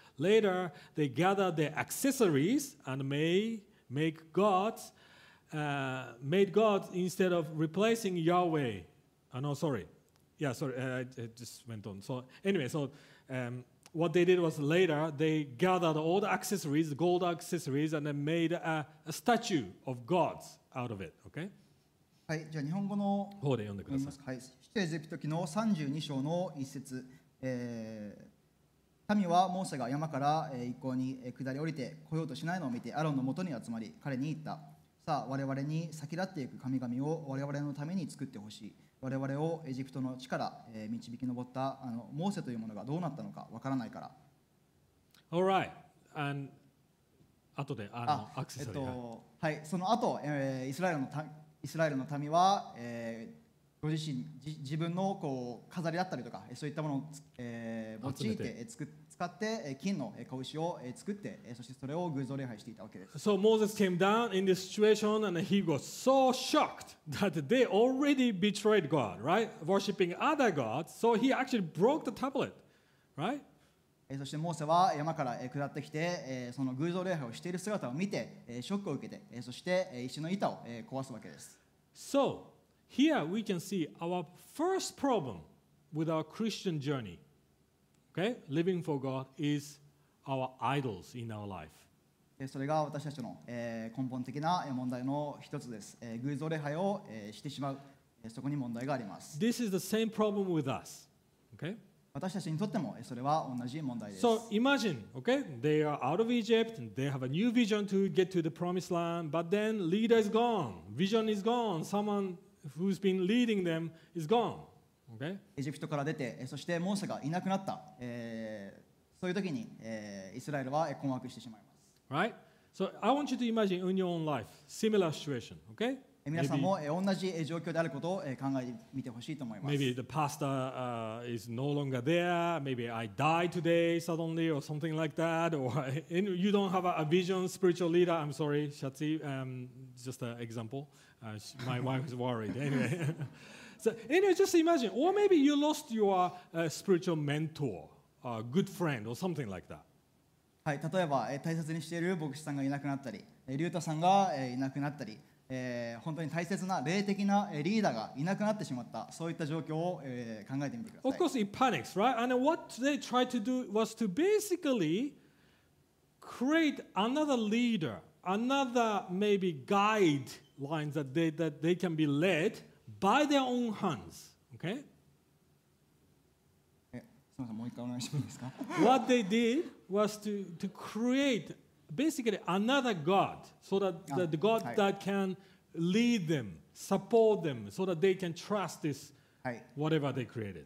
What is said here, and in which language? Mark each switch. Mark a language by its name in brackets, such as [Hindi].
[English] Later, they gathered their accessories and made gods instead of replacing Yahweh. What they did was later, they gathered all the accessories, gold accessories, and then made a statue of gods out of it. Okay? [Japanese] はい、じゃあ日本語の方で読んでください。はい、出エジプト記の32章の1節、民はモーセが山から一向に下り降りて来ようとしないのを見てアロンの元に集まり彼に言った。さあ我々に先立っていく神々を我々のために作ってほしい。我々をエジプトの地から導き上ったあのモーセというものがどうなったのかわからないから。 [English] All right. And [Japanese] 後であのアクセサリーが。はい、その後、イスラエルの民は、ご自身自分のこう飾りだったりとかそういったものを、用いて使って金の子牛を作ってそしてそれを偶像礼拝していたわけです。 [English] So Moses came down in this situation and he was so shocked that they already betrayed God, right? Worshipping other gods. So he actually broke the tablet, right? [Japanese] そしてモーセは山から下ってきてその偶像礼拝をしている姿を見てショックを受けてそして石の板を壊すわけです。 [English] So here we can see our first problem with our Christian journey. Okay, living for God is our idols in our life. [Japanese] それが私たちの根本的な問題の一つです。偶像礼拝をしてしまう、そこに問題があります。 [English] This is the same problem with us. Okay? [Japanese] 私たちにとってもそれは同じ問題です。 [English] So imagine, okay, they are out of Egypt, and they have a new vision to get to the promised land, but then leader is gone, vision is gone, someone who's been leading them is gone. [Japanese] エジプトから出て、そしてモーセがいなくなった。そういう時に、イスラエルは困惑してしまいます。 [English] Right? So I want you to imagine in your own life, similar situation, okay? [Japanese] 皆さんも同じ状況であることを考えてみてほしいと思います。 [English] Maybe the pastor is no longer there. Maybe I die today suddenly or something like that. Or you don't have a vision, spiritual leader. I'm sorry, Shatsi. Just an example. My wife is worried. Anyway. So, anyway, just imagine, or maybe you lost your spiritual mentor, a good friend, or something like that. [Japanese] はい、例えば、大切にしている牧師さんがいなくなったり、リュータさんがいなくなったり、本当に大切な霊的なリーダーがいなくなってしまった、そういった状況を考えてみてください。 [English] Of course, it panics, right? And what they tried to do was to basically create another leader, another maybe guidelines that they can be led. By their own hands, okay? [Japanese] すみません、もう一回お願いしてもいいですか? [English] What they did was to create basically another God so that the God that can lead them, support them, so that they can trust this whatever they created.